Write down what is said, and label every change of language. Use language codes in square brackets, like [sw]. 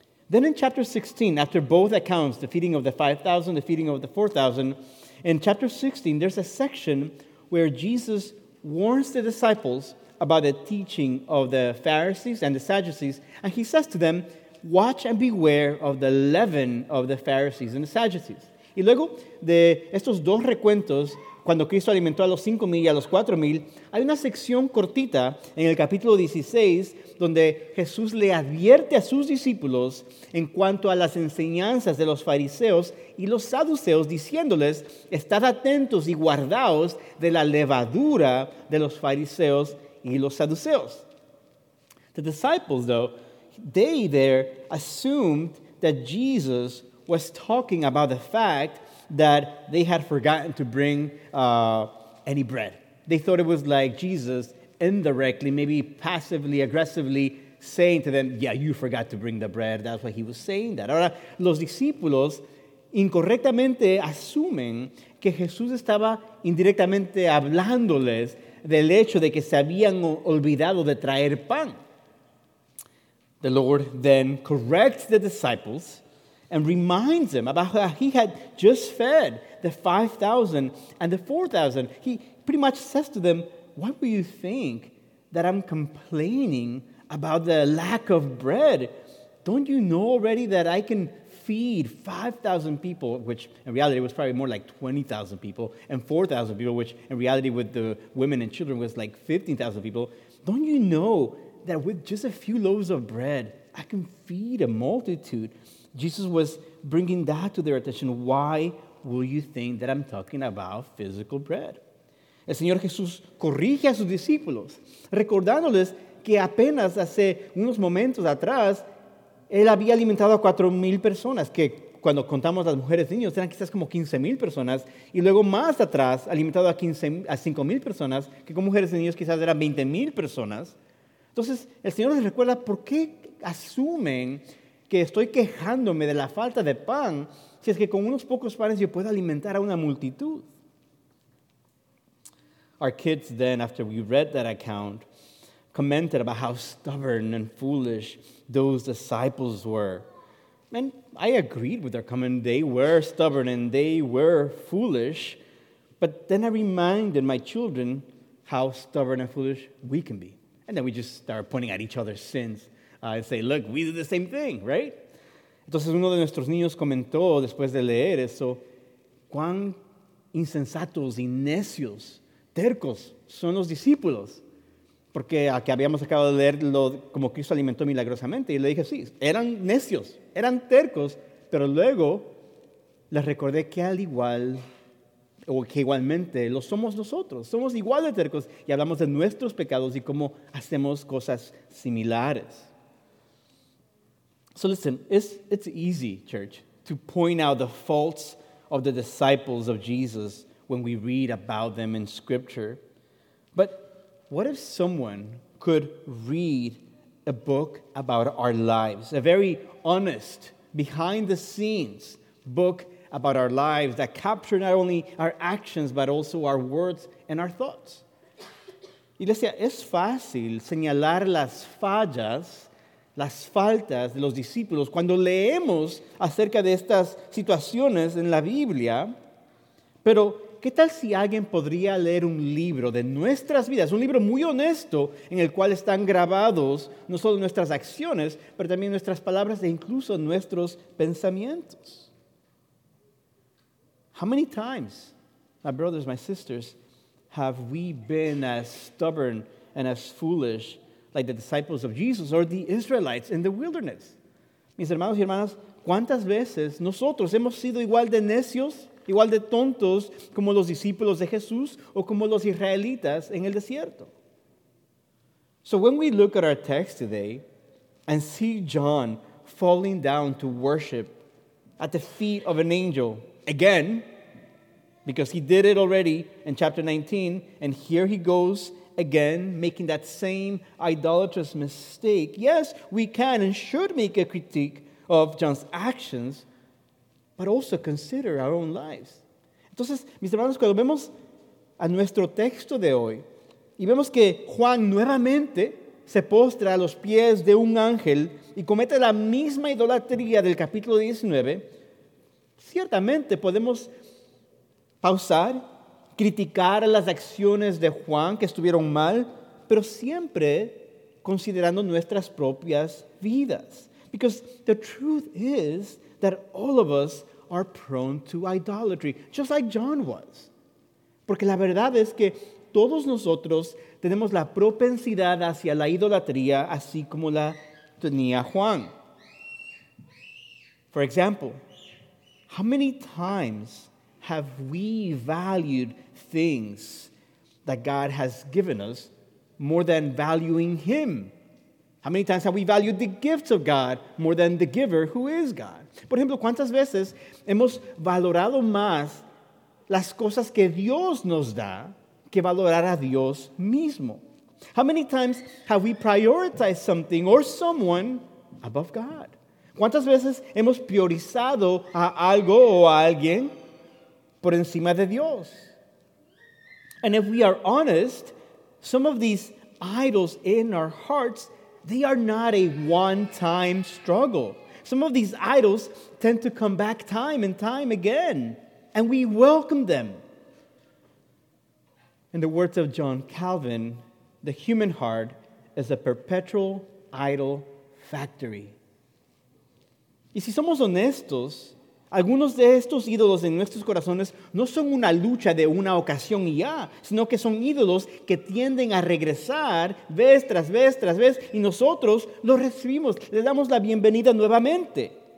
[en] Then in chapter 16, after both accounts, the feeding of the 5,000, the feeding of the 4,000, in chapter 16, there's a section where Jesus warns the disciples about the teaching of the Pharisees and the Sadducees, and he says to them, watch and beware of the leaven of the Pharisees and the Sadducees. [es] Y luego, de estos dos recuentos, cuando Cristo alimentó a los 5,000 y a los 4,000, hay una sección cortita en el capítulo 16 donde Jesús le advierte a sus discípulos en cuanto a las enseñanzas de los fariseos y los saduceos, diciéndoles, estad atentos y guardaos de la levadura de los fariseos y los saduceos. [en] The disciples, though, they there assumed that Jesus was talking about the fact that they had forgotten to bring any bread. They thought it was like Jesus indirectly, maybe passively, aggressively, saying to them, yeah, you forgot to bring the bread. That's why he was saying that. [es] Ahora, los discípulos incorrectamente asumen que Jesús estaba indirectamente hablándoles del hecho de que se habían olvidado de traer pan. [en] The Lord then corrects the disciples and reminds them about how he had just fed the 5,000 and the 4,000. He pretty much says to them, why do you think that I'm complaining about the lack of bread? Don't you know already that I can feed 5,000 people, which in reality was probably more like 20,000 people, and 4,000 people, which in reality with the women and children was like 15,000 people. Don't you know that with just a few loaves of bread, I can feed a multitude? Jesus was bringing that to their attention. Why will you think that I'm talking about physical bread? [es] El Señor Jesús corrige a sus discípulos, recordándoles que apenas hace unos momentos atrás, Él había alimentado a 4,000 personas, que cuando contamos las mujeres y niños, eran quizás como 15,000 personas, y luego más atrás, alimentado a 5,000 personas, que con mujeres y niños quizás eran 20,000 personas. Entonces, el Señor les recuerda, ¿por qué asumen que estoy quejándome de la falta de pan, si es que con unos pocos panes yo puedo alimentar a una multitud? [en] Our kids then, after we read that account, commented about how stubborn and foolish those disciples were. And I agreed with their comment. They were stubborn and they were foolish. But then I reminded my children how stubborn and foolish we can be. And then we just start pointing at each other's sins and say, look, we did the same thing, right? [es] Entonces uno de nuestros niños comentó después de leer eso, ¿cuán insensatos y necios, tercos son los discípulos? Porque aquí habíamos acabado de leer lo, como Cristo alimentó milagrosamente. Y le dije, sí, eran necios, eran tercos. Pero luego les recordé que al igual, o que igualmente, lo somos nosotros. Somos igual de tercos. Y hablamos de nuestros pecados y cómo hacemos cosas similares. [en] So listen, it's easy, church, to point out the faults of the disciples of Jesus when we read about them in Scripture. But what if someone could read a book about our lives, a very honest, behind-the-scenes book about our lives that captured not only our actions, but also our words and our thoughts? [es] Iglesia, es fácil señalar las fallas, las faltas de los discípulos cuando leemos acerca de estas situaciones en la Biblia, pero ¿qué tal si alguien podría leer un libro de nuestras vidas? Un libro muy honesto en el cual están grabados no solo nuestras acciones, pero también nuestras palabras e incluso nuestros pensamientos. [en] How many times, my brothers, my sisters, have we been as stubborn and as foolish like the disciples of Jesus or the Israelites in the wilderness? [es] Mis hermanos y hermanas, ¿cuántas veces nosotros hemos sido igual de necios, igual de tontos como los discípulos de Jesús o como los israelitas en el desierto? [en] So when we look at our text today and see John falling down to worship at the feet of an angel again, because he did it already in chapter 19, and here he goes again making that same idolatrous mistake, yes, we can and should make a critique of John's actions, but also consider our own lives. [es] Entonces, mis hermanos, cuando vemos a nuestro texto de hoy y vemos que Juan nuevamente se postra a los pies de un ángel y comete la misma idolatría del capítulo 19, ciertamente podemos pausar, criticar las acciones de Juan que estuvieron mal, pero siempre considerando nuestras propias vidas. [en] Because the truth is that all of us are prone to idolatry, just like John was. [es] Porque la verdad es que todos nosotros tenemos la propensidad hacia la idolatría, así como la tenía Juan. [en] For example, how many times have we valued things that God has given us more than valuing Him? How many times have we valued the gifts of God more than the giver who is God? [es] Por ejemplo, ¿cuántas veces hemos valorado más las cosas que Dios nos da que valorar a Dios mismo? [en] How many times have we prioritized something or someone above God? [es] ¿Cuántas veces hemos priorizado a algo o a alguien por encima de Dios? [en] And if we are honest, some of these idols in our hearts, they are not a one-time struggle. Some of these idols tend to come back time and time again, and we welcome them. In the words of John Calvin, the human heart is a perpetual idol factory. [es] Y si somos honestos, algunos de estos ídolos en nuestros corazones no son una lucha de una ocasión y ya, sino que son ídolos que tienden a regresar vez tras vez tras vez, y nosotros los recibimos, les damos la bienvenida nuevamente.